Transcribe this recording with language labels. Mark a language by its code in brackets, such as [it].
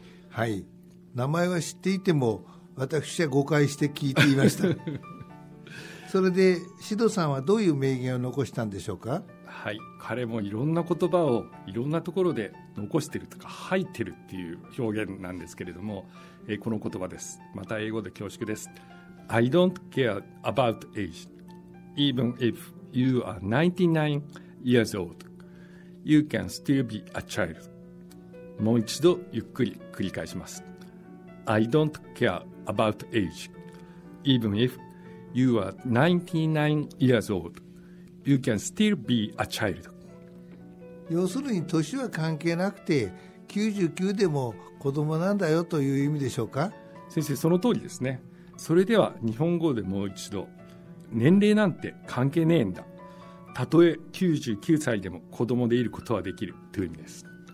[ja] はい、名前は知っていても私は誤解して聞いていましたそれでシドさんはどういう名言を残したんでしょうか？はい、彼もいろんな言葉をいろんなところで残してるとか吐いてるっていう表現なんですけれども、この言葉です。また英語で恐縮です。 [en] I don't care about age. Even if you are 99 years old, you can still be a child. [ja] もう一度ゆっくり繰り返します。 [en] I don't care about age. Even if you are 99 years old, you can still be a child. [ja] 要するに年は関係なくて、99でも子供なんだよという意味でしょうか？先生、その通りですね。それでは日本語でもう一度、年齢なんて関係ねえんだ、たとえ99歳でも子供でいることはできるという意味です。